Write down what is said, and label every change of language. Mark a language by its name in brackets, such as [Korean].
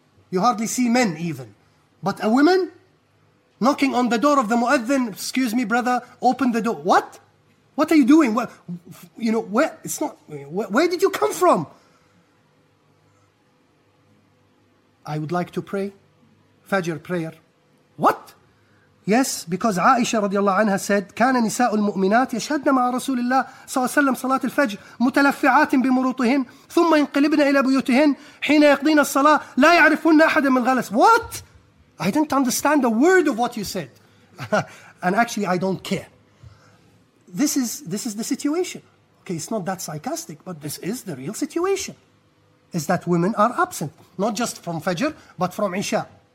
[English] You hardly see men even. But a woman knocking on the door of the muezzin, excuse me, brother, open the door. What? What are you doing? Where did you come from? I would like to pray Fajr prayer. What? Yes, because Aisha radiallahu anha said, [Arabic] كان نساء المؤمنات يشهدن مع رسول الله صلى الله عليه وسلم صلاة الفجر متلفعات بمروطهن ثم ينقلبن إلى بيوتهن حين يقضين الصلاة لا يعرفن أحدا من غلس. [English] What? I didn't understand a word of what you said. And actually, I don't care. This is the situation. Okay, it's not that sarcastic, but this is the real situation. Is that women are absent, not just from Fajr, but from Isha.